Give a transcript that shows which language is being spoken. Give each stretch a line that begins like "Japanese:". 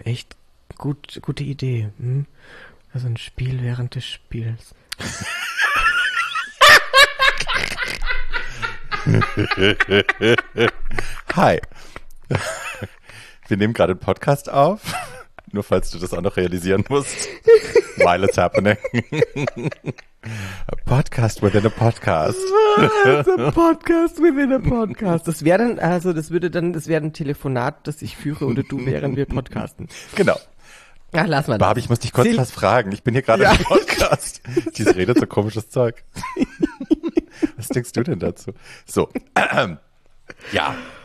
German: Echt gut, gute Idee. Hm? Also ein Spiel während des Spiels. Hi. Wir nehmen gerade einen Podcast auf. Nur falls du das auch noch realisieren musst.
English: While it's happening. A podcast within a podcast. A podcast within a podcast.
German: Das wäre dann, also das würde dann, das wäre ein Telefonat, das ich führe oder du, während wir podcasten. Genau. Ja, lass mal. Barbie, ich muss dich kurz was fragen. Ich bin hier gerade im Podcast. Diese Rede ist so komisches Zeug. Was denkst du denn dazu? So. Ja.